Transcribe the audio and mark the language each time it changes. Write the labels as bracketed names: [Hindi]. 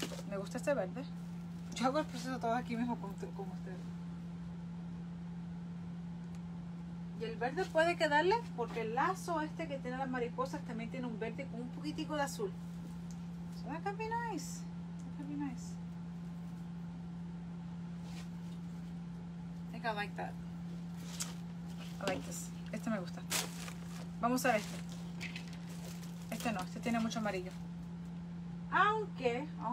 [Spanish] Me gusta este verde. Yo hago el proceso todo aquí mismo con ustedes. Y el verde puede quedarle porque el lazo este que tiene las mariposas también tiene un verde con un poquitico de azul. [English] So that can be nice. That can be nice. I think I like that. I like this. [Spanish] Este me gusta. Vamos a usar este. Este no. Este tiene mucho amarillo. Aunque.